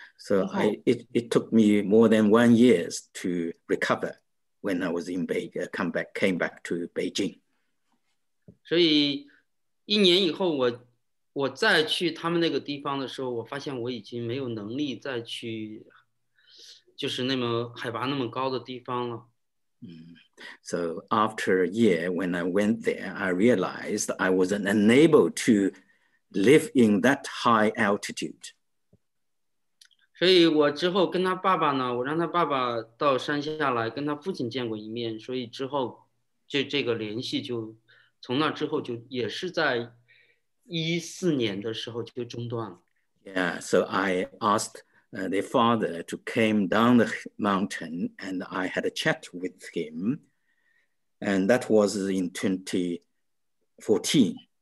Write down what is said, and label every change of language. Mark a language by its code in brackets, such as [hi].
[en] So it took me more than 1 year to recover when I was in Beijing, came back to Beijing. [zh] 所以一年以后我再去他们那个地方的时候，我发现我已经没有能力再去就是那么海拔那么高的地方了。 [en] So after a year, when I went there, I realized I wasn't unable to live in that high altitude. [zh] 所以我之后跟他爸爸呢，我让他爸爸到山下来跟他父亲见过一面，所以之后这个联系就从那之后就也是在14年的时候就中断了。 [en] Yeah, so I asked the father to came down the mountain and I had a chat with him, and that was in 2014.